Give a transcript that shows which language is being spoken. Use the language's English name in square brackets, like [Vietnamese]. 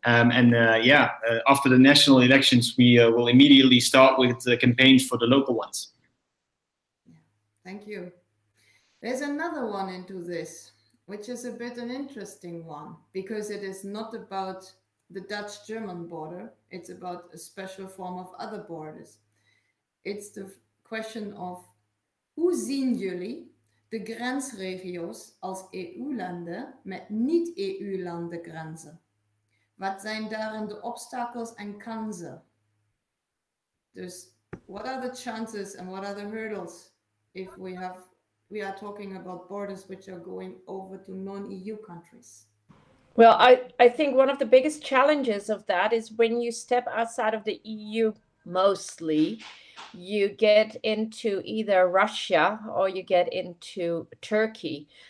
[English] After the national elections, we will immediately start with the campaigns for the local ones. Thank you. There's another one into this, which is a bit an interesting one, because it is not about the Dutch-German border, it's about a special form of other borders. It's the question of, [Dutch] hoe zien jullie de grensregio's als EU-landen met niet-EU-landen grenzen? Wat zijn daarin de obstakels en kansen? [English] Dus, what are the chances and what are the hurdles if we are talking about borders which are going over to non-EU countries? Well, I think one of the biggest challenges of that is when you step outside of the EU, mostly you get into either Russia or you get into Turkey.